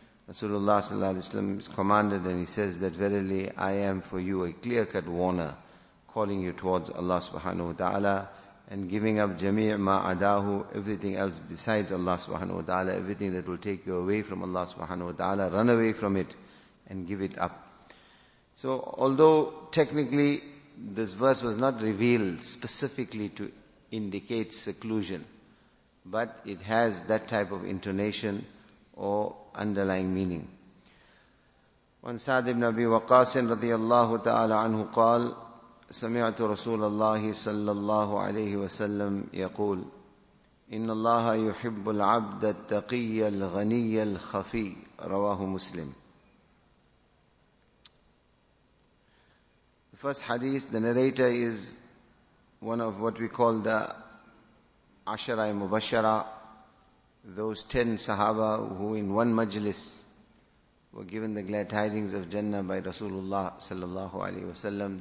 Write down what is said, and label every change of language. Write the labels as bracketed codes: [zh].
[en] Rasulullah sallallahu alayhi wa sallam is commanded and he says that, verily I am for you a clear-cut warner, calling you towards Allah subhanahu wa ta'ala and giving up [ar] jami' ma adahu, [en] everything else besides Allah subhanahu wa ta'ala, everything that will take you away from Allah subhanahu wa ta'ala, run away from it and give it up. So although technically this verse was not revealed specifically to indicate seclusion, but it has that type of intonation or underlying meaning. [ar] On Sa'd ibn Abi Waqas radiyallahu ta'ala anhu qal, سمعت رسول الله صلى الله عليه وسلم يقول إن الله يحب العبد التقي الغني الخفي رواه مسلم. [en] The first hadith, the narrator is one of what we call the Ashara Mubashara, those 10 Sahaba who in one majlis were given the glad tidings of Jannah by Rasulullah sallallahu alayhi wasallam.